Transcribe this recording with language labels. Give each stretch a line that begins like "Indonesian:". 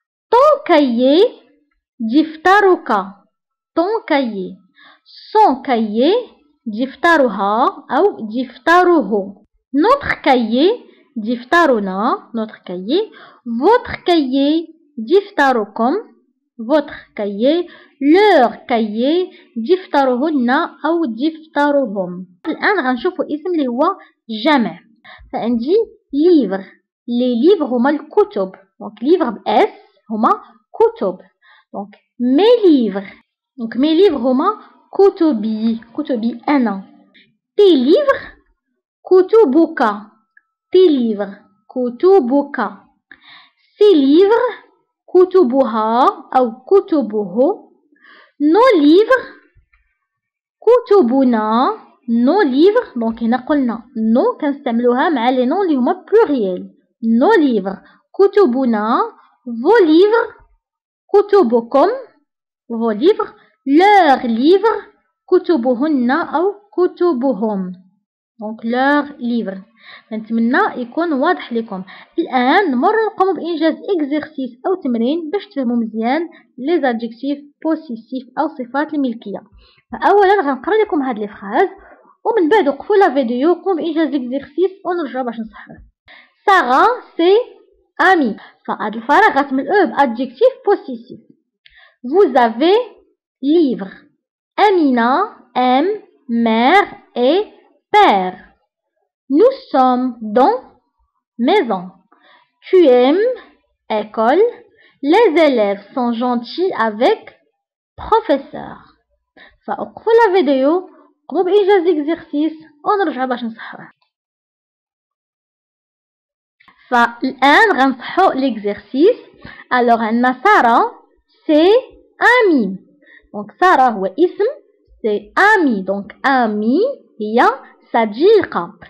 French: طون كايي
Arabic: دفترك
French: طون كايي.
Arabic: سون كايي دفترها او دفتره.
French: نوتر كايي
Arabic: دفترنا
French: نوتر كايي. فوتر كايي
Arabic: دفتركم
French: votre cahier, leur cahier,
Arabic: difterohunna ou difterohum. الآن غنشوفوا اسم اللي هو جمع. فعندي livre.
French: Les livres
Arabic: هما الكتب.
French: Donc livre بS
Arabic: هما كتب.
French: Donc mes livres. Donc mes livres
Arabic: هما كتبي. كتبي أنا.
French: Tes livres
Arabic: كتبك.
French: Tes livres كتبك. Ses livres
Arabic: كتبها أو كتبه.
French: Nos livres
Arabic: كتبنا.
French: Nos livres, donc
Arabic: هنا قلنا nos كنستعملوها مع لي نون اللي هما بلوريال.
French: Nos livres
Arabic: كتبنا.
French: Vos livres
Arabic: كتبكم.
French: Vos livres. Leurs livres
Arabic: كتبهن أو كتبهم.
French: Donc leurs livres.
Arabic: نتمنى يكون واضح لكم. الآن مرة نقوم بإنجاز إكزرسيس أو تمرين باش تفهموا مزيان لي زادجيكتيف بوسيسيف أو صفات الملكية. فأولا غنقرا لكم هاد لي فراز ومن بعد وقفوا لا فيديو وقوموا بإنجاز إكزرسيس ونرجعوا باش نصححوا. سارة سي أمي. فهاد الفراغ غتملئوه بأدجيكتيف بوسيسيف.
French: Vous avez livre. Amina aime mère et père. Nous sommes dans maison. Tu aimes école. Les élèves sont gentils avec professeur.
Arabic: فوقفوا لا فيديو قوموا بإنجاز الإكزرسيس ونرجع باش نصحوا. فالآن غنصحوا الإكزرسيس. ألوغ عندنا سارة سي أمي. دونك سارة هو اسم سي أمي. دونك أمي هي صديقة.